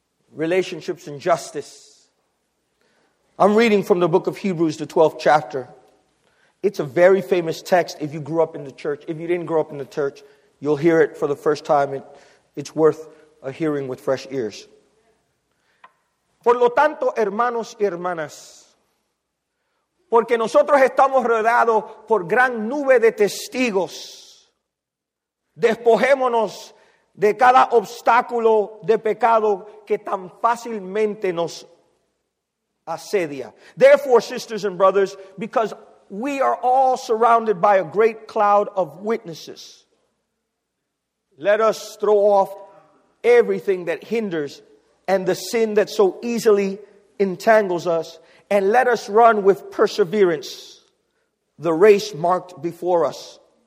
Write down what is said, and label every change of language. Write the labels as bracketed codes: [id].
[en] Relationships and justice. I'm reading from the book of Hebrews, the 12th chapter. It's a very famous text if you grew up in the church. If you didn't grow up in the church, you'll hear it for the first time. It's worth a hearing with fresh ears. [es] Por lo tanto, hermanos y hermanas, porque nosotros estamos rodeados por gran nube de testigos, despojémonos de cada obstáculo de pecado que tan fácilmente nos asedia. [en] Therefore, sisters and brothers, because we are all surrounded by a great cloud of witnesses, let us throw off everything that hinders and the sin that so easily entangles us, and let us run with perseverance the race marked before us.